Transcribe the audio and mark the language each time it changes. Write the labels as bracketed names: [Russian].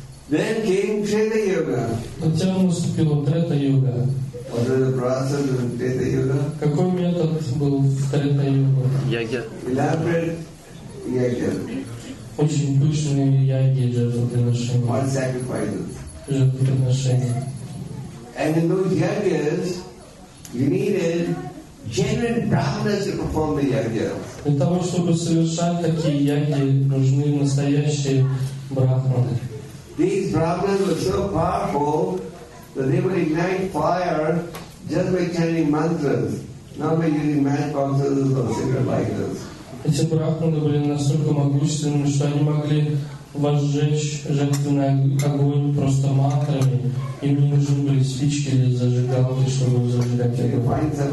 [English] Then came Treta Yoga. [Russian] Затем наступила Трета Йога. [English] What was the process of Treta Yoga? [Russian] Какой метод был в Трета Йога? Яги. [English] Elaborate Яги. [Russian] Очень душные яги жертвоприношения. [English] What sacrifices? [Russian] Жертвоприношения. [English] And in those yagyas, you needed genuine brahmanas to perform the yajna. [Russian] Для того, чтобы совершать такие яги, нужны настоящие брахманы. [English] These brahmanas were so powerful that they would ignite fire just by chanting mantras, not by using matchboxes or cigarette lighters. [Russian] Эти брахманы были настолько могущественными, что они могли возжечь жертвенный огонь просто мантрами. Им не нужны были спички или зажигалки, чтобы зажигать огонь.